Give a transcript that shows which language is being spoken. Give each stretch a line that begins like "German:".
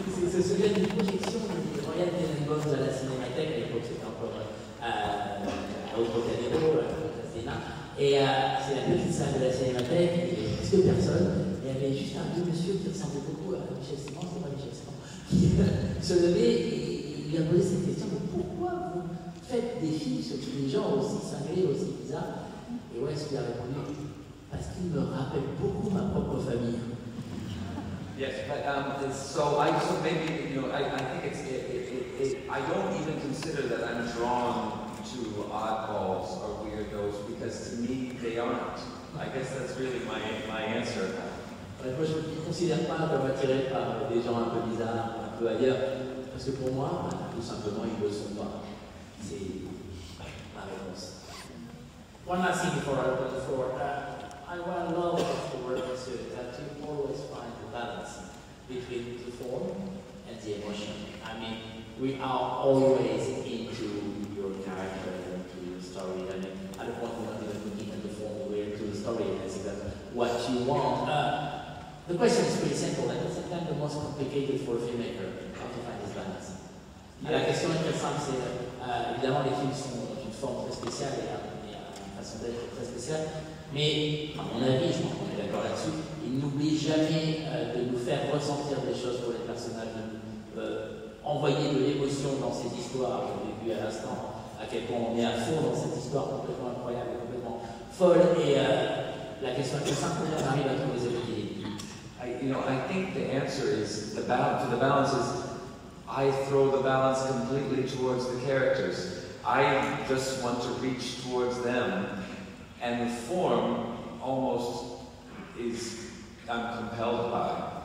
French: Ce souvient d'une projection du Royal Tenenbaums de la Cinémathèque, à l'époque c'était encore à Octobre, c'est la petite salle de la Cinémathèque, il n'y avait presque personne, il y avait juste un vieux monsieur qui ressemblait beaucoup à Michel Simon, c'est pas Michel Simon, qui se levait et lui a posé cette question, mais pourquoi vous faites des films sur des gens aussi cinglés, aussi bizarres? Et Wes lui a répondu, parce qu'il me rappelle beaucoup ma propre famille.
English: Yes, but I don't even consider that I'm drawn to oddballs or weirdos, because to me they aren't. I guess that's really my answer.
French: Moi, je ne considère pas comme attiré par des gens un peu bizarres, un peu ailleurs, parce que pour moi, tout simplement, ils ne le sont pas. C'est ma réponse.
English: One last thing before I open the floor. I love the work that you always find the balance between the form and the emotion. I mean, we are always into your character and into your story. I mean, at a point we're not even looking at the form, we're into the story, and I think that's what you want. The question is pretty simple, and it's sometimes the most complicated for a filmmaker, how to find this balance.
French: Yeah. La question intéressante, c'est évidemment les films sont dans une forme très spéciale et une façon d'être très spéciale. Mais, à mon avis, je pense qu'on est d'accord là-dessus, il n'oublie jamais de nous faire ressentir des choses pour les personnages, de nous envoyer de l'émotion dans ces histoires. Vous avez vu à l'instant à quel point on est à fond dans cette histoire complètement incroyable, complètement folle. Et la question est très simple, comment on arrive à trouver les équilibres?
English: You know, I think the answer is, the balance is, I throw the balance completely towards the characters. I just want to reach towards them. And the form almost is, I'm compelled by.